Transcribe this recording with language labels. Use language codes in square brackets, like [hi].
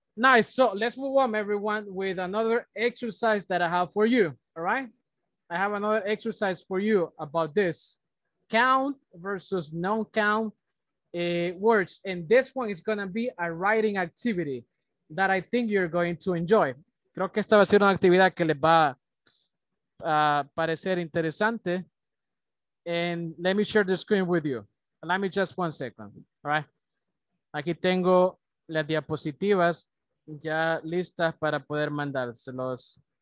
[en] Nice. So let's move on, everyone, with another exercise that I have for you. All right. I have another exercise for you about this count versus non count. Words, and this one is going to be a writing activity that I think you're going to enjoy. [es] Creo que esta va a ser una actividad que les va a parecer interesante. [en] And let me share the screen with you. Let me just one second. All right. [es] Aquí tengo las diapositivas ya listas para poder mandárselos.